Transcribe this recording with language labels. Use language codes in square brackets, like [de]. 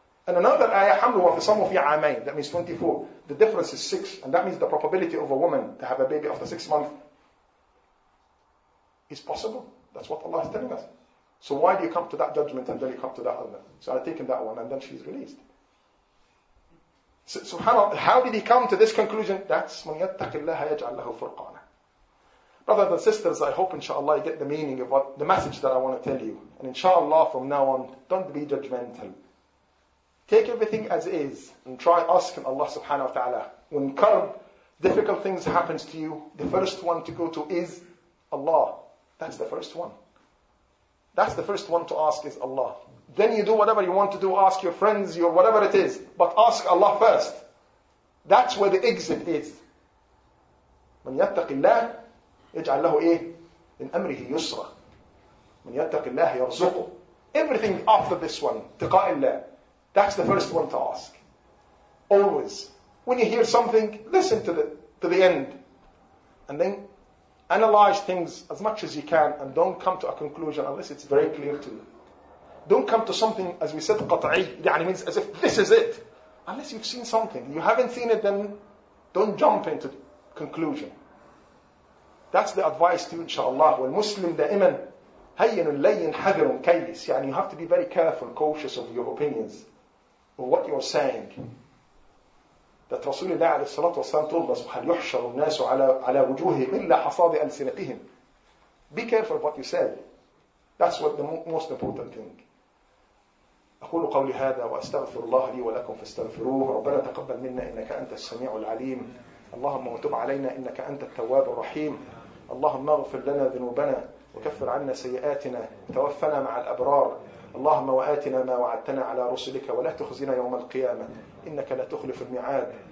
[en] And another ayah, [ar] حَمْلُ وَفِصَارُهُ فِي عَامَيْن, [en] that means 24. The difference is 6, and that means the probability of a woman to have a baby after 6 months is possible. That's what Allah is telling us. So why do you come to that judgment and then you come to that other? So I've taken that one, and then she's released. So how did he come to this conclusion? That's [ar] مَنْ يَتَّقِ اللَّهَ يَجْعَلْ لَهُ فُرْقَانًا. [en] Brothers and sisters, I hope inshallah you get the meaning of what the message that I want to tell you. And inshallah from now on, don't be judgmental. Take everything as is and try asking Allah subhanahu wa ta'ala. When kurb, difficult things happens to you, the first one to go to is Allah. That's the first one. That's the first one to ask is Allah. Then you do whatever you want to do, ask your friends, your whatever it is. But ask Allah first. That's where the exit is. [ar] من يتقي الله يجعل له إيه؟ من أمره يسرى من يتق الله يرزقه. [en] Everything after this one, [ar] تقاء الله, [en] that's the first one to ask. Always. When you hear something, listen to the end. And then analyze things as much as you can and don't come to a conclusion unless it's very clear to you. Don't come to something, as we said, قطعي, يعني means as if this is it. Unless you've seen something. You haven't seen it, then don't jump into conclusion. That's the advice to you, inshallah. [ar] والمسلم دائما هين اللين حذر كيس. [en] يعني you have to be very careful, cautious of your opinions, of what you're saying. [ar] that Rasulullah عليه الصلاة والسلام [en] told us, [ar] هل يحشر الناس على وجوههم إلا حصاد ألسنتهم. [en] Be careful what you say. That's what the most important thing. [ar] أقول قولي هذا وأستغفر الله لي ولكم فاستغفروه. ربنا تقبل منا إنك أنت السميع العليم. اللهم وتب علينا إنك أنت التواب الرحيم. اللهم اغفر لنا ذنوبنا وكفر عنا سيئاتنا وتوفنا مع الأبرار. اللهم وآتنا ما وعدتنا على رسلك ولا تخزنا يوم القيامة إنك لا تخلف الميعاد.